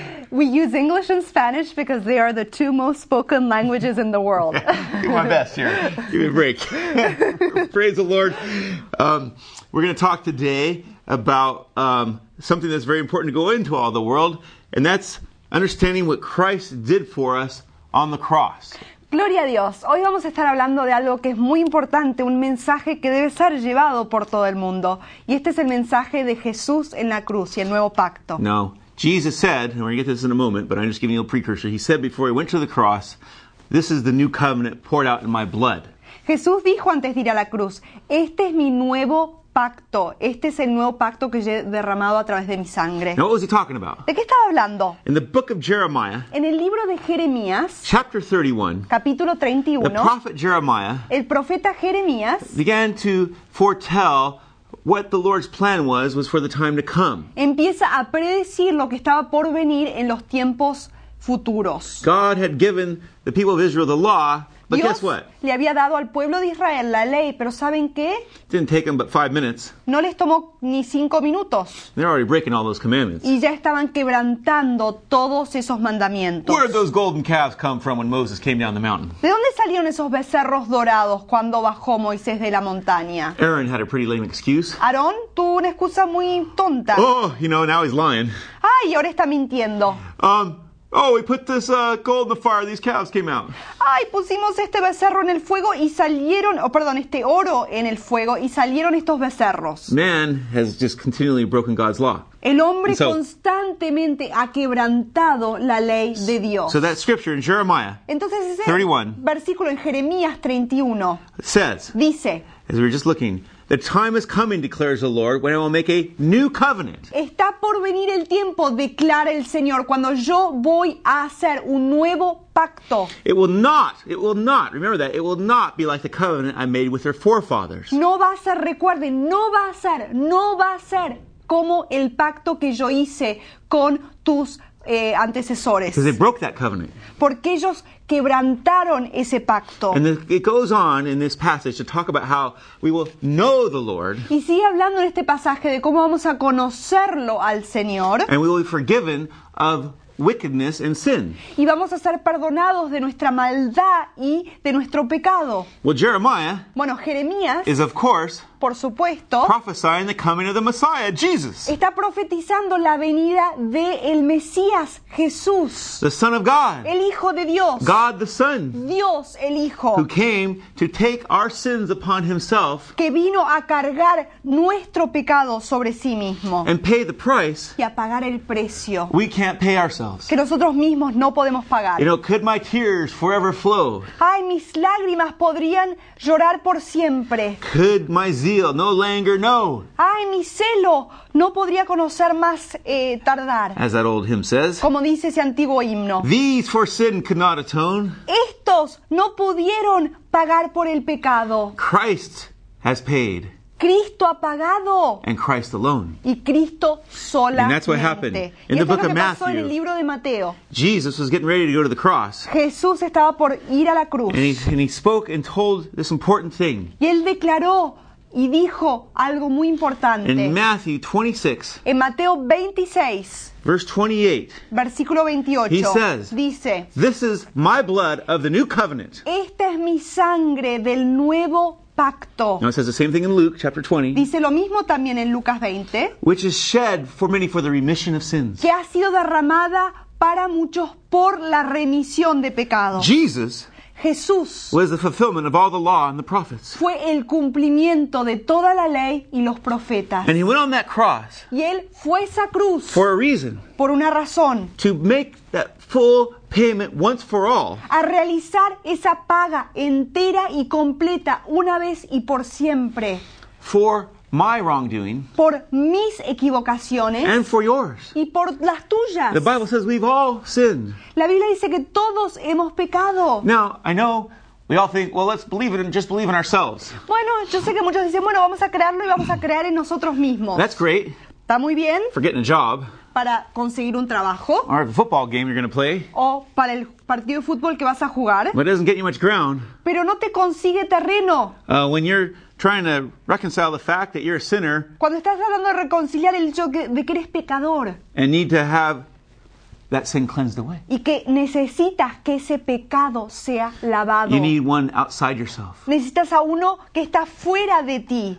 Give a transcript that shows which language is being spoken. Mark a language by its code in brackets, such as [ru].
[en] We use English and Spanish because they are the two most spoken languages in the world. Yeah, do my best here. Give me a break. Praise the Lord. We're going to talk today about something that's very important to go into all the world, and that's understanding what Christ did for us on the cross. [es] Gloria a Dios. Hoy vamos a estar hablando de algo que es muy importante, un mensaje que debe ser llevado por todo el mundo. Y este es el mensaje de Jesús en la cruz y el nuevo pacto. [en] Now, Jesus said, and we're going to get to this in a moment, but I'm just giving you a precursor. He said before he went to the cross, this is the new covenant poured out in my blood. [es] Jesús dijo antes de ir a la cruz, este es mi nuevo pacto. Este es el nuevo pacto que yo he derramado a través de mi sangre. [en] Now, what was he talking about? [es] ¿De qué estaba hablando? [en] In the book of Jeremiah, [es] en el libro de Jeremías, [en] chapter 31, [es] capítulo 31, [en] the prophet Jeremiah, [es] el profeta Jeremías, [en] began to foretell what the Lord's plan was for the time to come. [es] Empieza a predecir lo que estaba por venir en los tiempos futuros. [en] God had given the people of Israel the law. But [es] Dios [en] guess what? [es] Le había dado al pueblo de Israel la ley, pero ¿saben qué? [en] Didn't take them but 5 minutes. [es] No les tomó ni 5 minutos. [en] They're already breaking all those commandments. [es] Y ya estaban quebrantando todos esos mandamientos. [en] Where did those golden calves come from when Moses came down the mountain? [es] ¿De dónde salieron esos becerros dorados cuando bajó Moisés de la montaña? [en] Aaron had a pretty lame excuse. [es] Aarón tuvo una excusa muy tonta. [en] Oh, you know, now he's lying. [es] Ay, ahora está mintiendo. [en] Oh, we put this gold in the fire. These calves came out. [es] Ay, pusimos este becerro en el fuego y salieron. Oh, perdón, este oro en el fuego y salieron estos becerros. [en] Man has just continually broken God's law. [es] El hombre so, constantemente ha quebrantado la ley de Dios. [en] So that scripture in Jeremiah, [es] entonces ese [en] 31, [es] versículo en Jeremías 31, [en] says, [es] dice, [en] as we're just looking. The time is coming, declares the Lord, when I will make a new covenant. [es] Está por venir el tiempo, declara el Señor, cuando yo voy a hacer un nuevo pacto. [en] It will not, remember that, it will not be like the covenant I made with their forefathers. [es] No va a ser, recuerden, no va a ser como el pacto que yo hice con tus antecesores. [en] Because they broke that covenant. [es] Porque ellos quebrantaron ese pacto. [en] And it goes on in this passage to talk about how we will know the Lord. [es] Y sigue hablando en este pasaje de cómo vamos a conocerlo al Señor. [en] And we will be forgiven of wickedness and sin. [es] Y vamos a ser perdonados de nuestra maldad y de nuestro pecado. [en] Well, Jeremiah, [es] bueno, Jeremías, [en] is of course, [es] por supuesto, [en] prophesying the coming of the Messiah, Jesus. [es] Está profetizando la venida de el Mesías, Jesús. [en] The Son of God. [es] El Hijo de Dios. [en] God the Son. [es] Dios el Hijo. [en] Who came to take our sins upon himself. [es] Que vino a cargar nuestro pecado sobre sí mismo. [en] And pay the price. [es] Y a pagar el precio. [en] We can't pay ourselves. [es] Que nosotros mismos no podemos pagar. [en] You know, could my tears forever flow? [es] Ay, mis lágrimas podrían llorar por siempre. [en] Could my zeal, no languor, no. [es] Ay, mi celo, no podría conocer más tardar. [en] As that old hymn says. [es] Como dice ese antiguo himno. [en] These for sin could not atone. [es] Estos no pudieron pagar por el pecado. [en] Christ has paid. [es] Cristo ha pagado. [en] And Christ alone. [es] Y Cristo solamente. [en] And that's what happened in the book of Matthew. [es] En el libro de Mateo. [en] Jesus was getting ready to go to the cross. [es] Jesús estaba por ir a la cruz. [en] And he spoke and told this important thing. [es] Y él declaró y dijo algo muy importante. [en] In Matthew 26. [es] En Mateo 26. [en] Verse 28. [es] Versículo 28. [en] He says. [es] Dice. [en] This is my blood of the new covenant. [es] Esta es mi sangre del nuevo pacto. [en] Now it says the same thing in Luke chapter 20. [es] Dice lo mismo también en Lucas 20. [en] Which is shed for many for the remission of sins. [es] Que ha sido derramada para muchos por la remisión de pecados. [en] Jesus. [es] Jesús [en] was the fulfillment of all the law and the prophets. [es] Fue el cumplimiento de toda la ley y los profetas. [en] And he went on that cross. [es] Y él fue esa cruz. [en] For a reason. [es] Por una razón. [en] To make that full payment once for all. [es] A realizar esa paga entera y completa una vez y por siempre. [en] For my wrongdoing. [es] Por mis equivocaciones. [en] And for yours. [es] Y por las tuyas. [en] The Bible says we've all sinned. [es] La Biblia dice que todos hemos pecado. [en] Now, I know We all think, well, let's believe it and just believe in ourselves. [es] Bueno, yo sé que muchos dicen, bueno, vamos a crearlo y vamos a crear en nosotros mismos. [en] That's great. [es] Está muy bien. [en] For getting a job. [es] Para conseguir un trabajo. [en] Or a football game you're going to play. [es] O para el partido de fútbol que vas a jugar. [en] But it doesn't get you much ground. [es] Pero no te consigue terreno. [en] When you're trying to reconcile the fact that you're a sinner. [es] Cuando estás tratando de reconciliar el hecho de que eres pecador. [en] And need to have that sin cleansed away. [es] Y que necesitas que ese pecado sea lavado. [en] You need one outside yourself. [es] Necesitas a uno que está fuera de ti.